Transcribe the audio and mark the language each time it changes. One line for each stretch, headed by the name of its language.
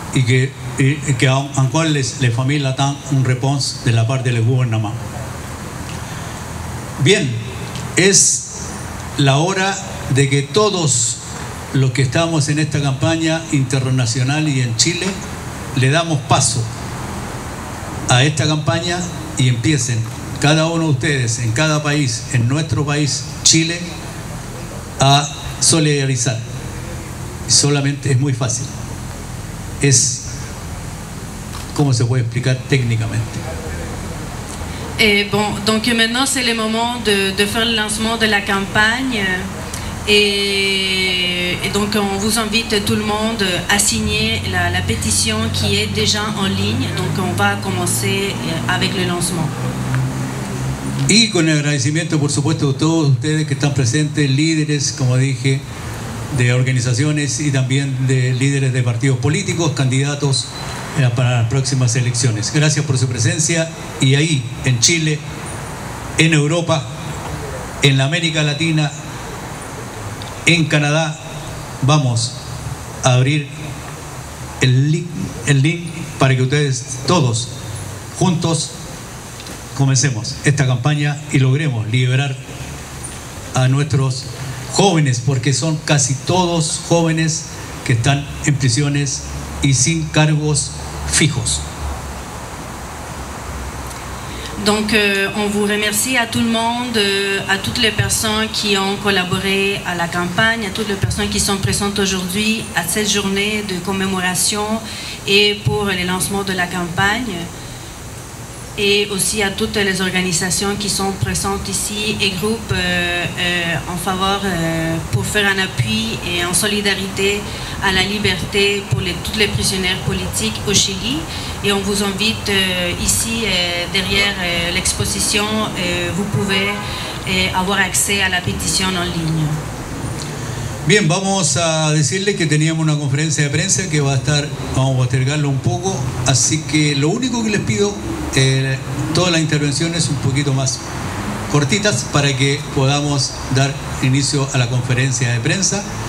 French: Et que les familles attendent une réponse de la part du gouvernement.
Spanish: Bien,
French: c'est
Spanish: la hora de que tous los que estamos en esta campaña internacional y en Chile le damos paso a esta campaña y empiecen cada uno de ustedes en cada país, en nuestro país Chile, a solidarizar. Solamente es muy fácil, es como se puede explicar técnicamente.
French: Et bon, donc maintenant c'est le moment de faire le lancement de la campagne. Et donc on vous invite tout le monde à signer la pétition qui est déjà en ligne. Donc on va commencer avec le lancement.
Spanish: Y con el agradecimiento, por supuesto, de todos ustedes que están presentes, líderes, como dije, de organizaciones y también de líderes de partidos políticos, candidatos para las próximas elecciones. Gracias por su presencia y ahí, en Chile, en Europa, en la América Latina, en Canadá, vamos a abrir el link para que ustedes todos juntos comencemos esta campaña y logremos liberar a nuestros jóvenes, porque son casi todos jóvenes que están en prisiones y sin cargos fijos.
French: Donc on vous remercie à tout le monde, à toutes les personnes qui ont collaboré à la campagne, à toutes les personnes qui sont présentes aujourd'hui à cette journée de commémoration et pour le lancement de la campagne, et aussi à toutes les organisations qui sont présentes ici et groupes en faveur pour faire un appui et en solidarité à la liberté pour toutes les prisonnières politiques au Chili. Et on vous invite ici, derrière l'exposition, vous pouvez avoir accès à la pétition en ligne.
Spanish: Bien, vamos a decirle que teníamos una conferencia de prensa que va a estar, vamos a postergarlo un poco, así que lo único que les pido, todas las intervenciones un poquito más cortitas para que podamos dar inicio a la conferencia de prensa.